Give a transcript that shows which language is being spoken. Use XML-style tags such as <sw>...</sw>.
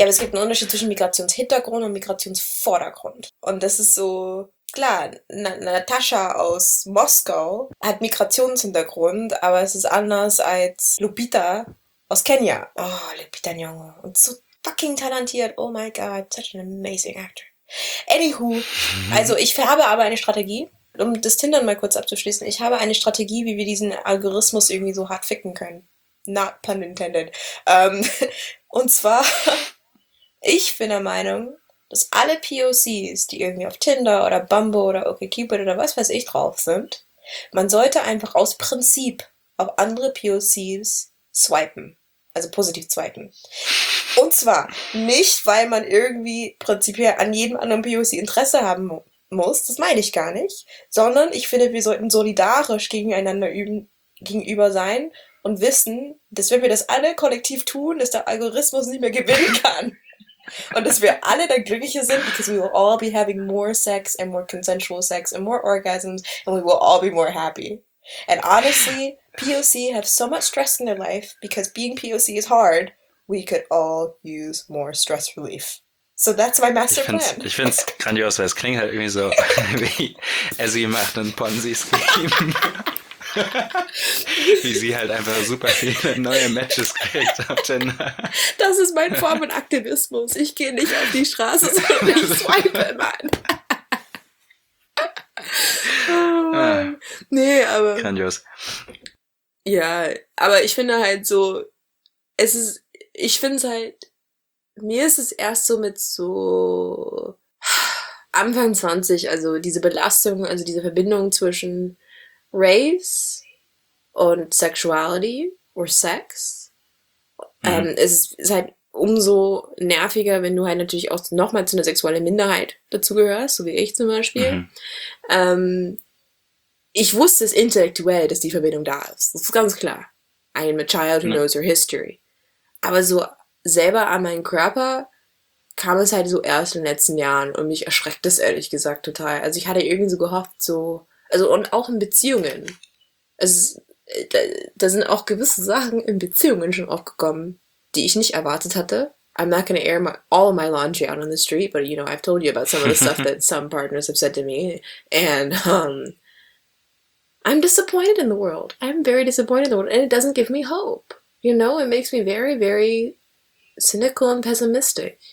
<de>Ja, aber es gibt einen Unterschied zwischen Migrationshintergrund und Migrationsvordergrund. Und das ist so, klar, Natascha aus Moskau hat Migrationshintergrund, aber es ist anders als Lupita aus Kenia. Oh, Lupita Nyong'o. Und so fucking talentiert.</de> <en>Oh my God, such an amazing actor.</en> <de>Anywho, also ich habe aber eine Strategie. Um das Tindern mal kurz abzuschließen, ich habe eine Strategie, wie wir diesen Algorithmus irgendwie so hart ficken können.</de> <en>Not pun intended.</en> <de>Und zwar, ich bin der Meinung, dass alle POCs, die irgendwie auf Tinder oder Bumble oder OkCupid oder was weiß ich drauf sind, man sollte einfach aus Prinzip auf andere POCs swipen. Also positiv swipen. Und zwar nicht, weil man irgendwie prinzipiell an jedem anderen POC Interesse haben muss, das meine ich gar nicht, sondern ich finde, wir sollten solidarisch gegeneinander üben, gegenüber sein und wissen, dass wenn wir das alle kollektiv tun, dass der Algorithmus nicht mehr gewinnen kann. Und dass wir alle dann glücklicher sind,</de> <en>because we will all be having more sex and more consensual sex and more orgasms and we will all be more happy. And honestly, POC have so much stress in their life because being POC is hard. We could all use more stress relief. So that's my master plan.</en> <de>Ich find's grandios, weil es klingt halt irgendwie so, wie Essie macht ein Ponzi-Scheme. Wie sie halt einfach super viele neue Matches kriegt auf Tinder. Das ist meine Form von Aktivismus. Ich gehe nicht auf die Straße, swipe, Mann. Nee, aber. Grandios. Ja, aber ich finde halt so, es ist, ich finde es halt, mir ist es erst so mit so Anfang 20, also diese Belastung, also diese Verbindung zwischen Race und Sexuality oder Sex. Es ist halt umso nerviger, wenn du halt natürlich auch nochmal zu einer sexuellen Minderheit dazugehörst, so wie ich zum Beispiel. Ich wusste es intellektuell, dass die Verbindung da ist. Das ist ganz klar.</de> <en>I am a child who knows your history.</en> <de>Aber so selber an meinen Körper kam es halt so erst in den letzten Jahren und mich erschreckt es ehrlich gesagt total. Also ich hatte irgendwie so gehofft, so, also und auch in Beziehungen. Also, da sind auch gewisse Sachen in Beziehungen schon aufgekommen, die ich nicht erwartet hatte.</de> <en>I'm not gonna air all my laundry out on the street, but you know, I've told you about some of the stuff that some partners have said to me. And I'm disappointed in the world. I'm very disappointed in the world. And it doesn't give me hope. You know, it makes me very, very cynical and pessimistic.</en>